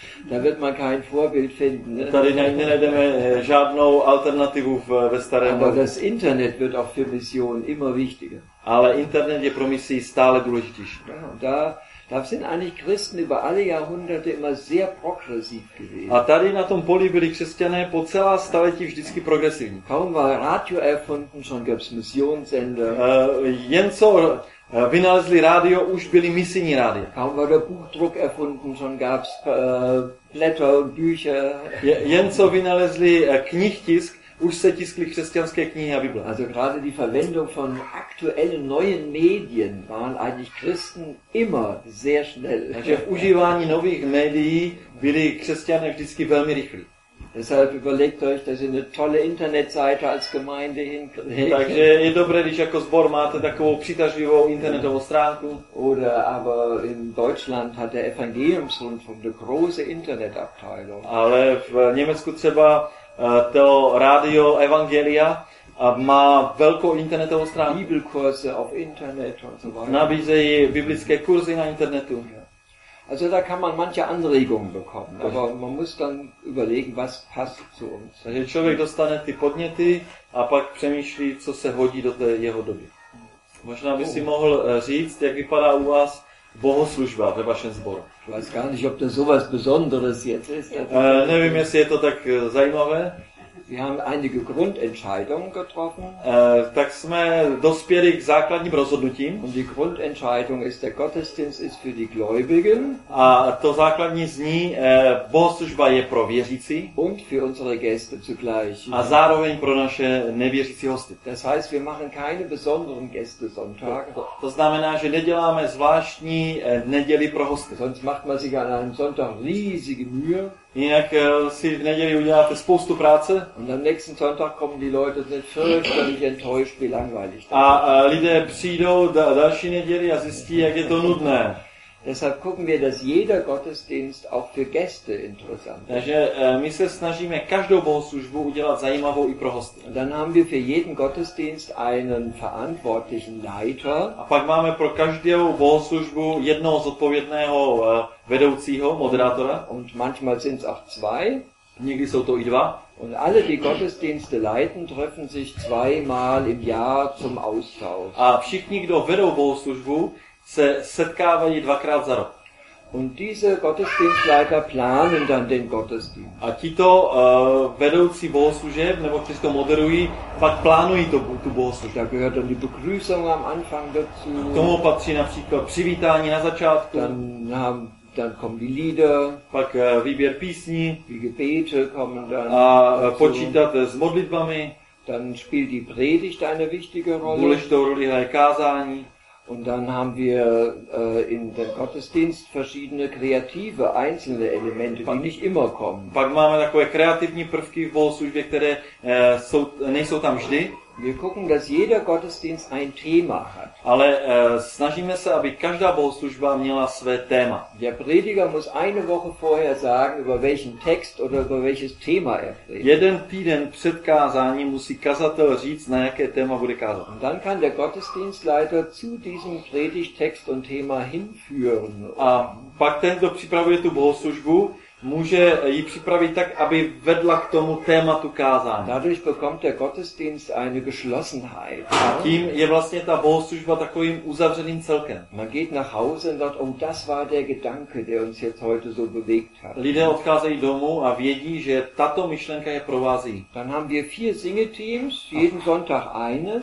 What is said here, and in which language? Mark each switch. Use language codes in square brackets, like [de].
[de] Da wird man kein Vorbild finden. [cs] Tady nenajdeme žádnou alternativu ve starém. [de] Aber das Internet wird auch für Mission immer wichtiger. [cs] Ale internet je pro misi stále důležitější. [de] Da sind eigentlich Christen über alle Jahrhunderte immer sehr progressiv gewesen. [cs] A tady na tom poli byli křesťané po celá staletí vždycky progresivní. [de] Kaum war Radio erfunden, schon gab's Missionssender. [cs] Jen co Vynalezli rádio, už byli misijní rádia. [de] Kaum wurde Buchdruck erfunden, schon gab's Blätter und Bücher. [cs] Jen co vynalezli knihtisk, už se tiskly křesťanské knihy a Bible. [de] Also gerade die Verwendung von aktuellen neuen Medien waren eigentlich Christen immer sehr schnell. [cs] Takže v užívání nových médií byli křesťané vždycky velmi rychlí. [de] Deshalb überlegt euch, dass ihr eine tolle Internetseite als Gemeinde hinkriegt. [cs] Takže je dobré, když jako sbor máte takovou přitažlivou internetovou stránku. [de] Oder aber in Deutschland hat der Evangeliumsrundfunk eine große Internetabteilung. [cs] Ale v Německu třeba to Radio Evangelia má velkou internetovou stránku. [de] Bibelkurse auf Internet und so weiter. [cs] Nabízejí biblické kurzy na internetu. [de] Also da kann man manche Anregungen bekommen, aber man muss dann überlegen, was passt zu uns. [cs] Takže člověk dostane ty podněty a pak přemýšlí, co se hodí do té jeho doby. Možná by si mohl říct, jak vypadá u vás bohoslužba ve vašem sboru. [de] Ich weiß gar nicht, ob das so was Besonderes jetzt ist. [cs] Nevím, jestli je to tak zajímavé. [de] Wir haben einige Grundentscheidungen getroffen. [cs] Tak jsme dospěli k základním rozhodnutím. [de] Und die Grundentscheidung ist, der Gottesdienst ist für die Gläubigen. [cs] A to základní zní, bohoslužba je pro věřící. [de] Und für unsere Gäste zugleich. [cs] A zároveň pro naše nevěřící hosty. [de] Das heißt, wir machen keine besonderen Gästesonntage. [cs] To znamená, že neděláme zvláštní neděli pro hosty. [de] Sonst macht man sich an einem Sonntag riesige Mühe. [cs] Jinak si v neděli uděláte spoustu práce. [de] Und am nächsten Sonntag kommen die Leute sind fürchterlich enttäuscht, wie langweilig. [cs] A lidé přijdou další neděli a zjistí, jak je to nudné. [de] Deshalb gucken wir, dass jeder Gottesdienst auch für Gäste interessant ist. [cs] Takže my se snažíme každou bohoslužbu udělat zajímavou i pro hosty. [de] Dann haben wir für jeden Gottesdienst einen verantwortlichen Leiter. [cs] A pak máme pro každou bohoslužbu jednoho zodpovědného vedoucího, moderátora. [de] Und manchmal sind es auch zwei. [cs] Někdy jsou to i dva. [de] Und alle, die Gottesdienste leiten, treffen sich zweimal im Jahr zum Austausch. [cs] A všichni, kdo vedou bohoslužbu, se setkávají dvakrát za rok. [de] Und diese Gottesdienstleiter planen dann den Gottesdienst. [cs] A tito vedoucí bohoslužeb, nebo kteří to moderují, pak plánují tu bohoslužbu. [de] Da gehört dann die Begrüßung am Anfang dazu. [cs] K tomu patří například přivítání na začátku. [de] Dann kommen die Lieder. [cs] Pak výběr písní. [de] Die Gebete kommen dann. [cs] A počítat s modlitbami. [de] Dann spielt die Predigt eine wichtige Rolle. [cs] Důležitou roli hraje kázání. [de] Und dann haben wir in den Gottesdienst verschiedene kreative einzelne Elemente, die nicht immer kommen. [cs] Pak máme takové kreativní prvky v bohoslužbě, které nejsou tam vždy. [de] Wir gucken, dass jeder Gottesdienst ein Thema hat. [cs] Ale snažíme se, aby každá bohoslužba měla své téma. [de] Der Prediger muss eine Woche vorher sagen, über welchen Text oder über welches Thema er predigt. [cs] Jeden týden před kázáním musí kazatel říct, na jaké téma bude kázat. [de] Und dann kann der Gottesdienstleiter zu diesem Predigttext und Thema hinführen. [cs] A pak ten, kdo připravuje tu bohoslužbu, může ji připravit tak, aby vedla k tomu tématu kázání. [de] Dadurch bekommt der Gottesdienst eine Geschlossenheit. [cs] A tím je vlastně ta bohoslužba takovým uzavřeným celkem. [de] Man geht nach Hause und sagt, oh, das war der Gedanke, der uns jetzt heute so bewegt hat. [cs] Lidé odcházejí domů a vědí, že tato myšlenka je provází. [de] Dann haben wir vier Singeteams, jeden Sonntag eines.